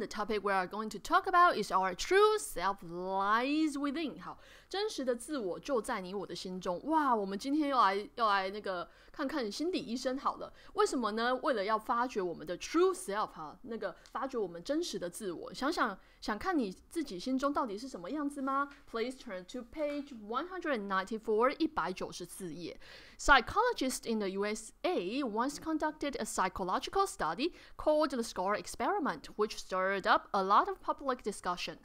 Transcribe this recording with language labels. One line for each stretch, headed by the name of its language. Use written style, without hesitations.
English: The topic we are going to talk about is our true self lies within.
Chinese: 好，真实的自我就在你我的心中。哇，我们今天要来那个看看心理医生好了。为什么呢？为了要发掘我们的
English: true self，
Chinese: 哈，那个发掘我们真实的自我。想看你自己心中到底是什么样子吗？
English: Please turn to page 194页。 Psychologist in the USA once conducted a psychological study called the SCORE experiment, which stirred up a lot of public discussion.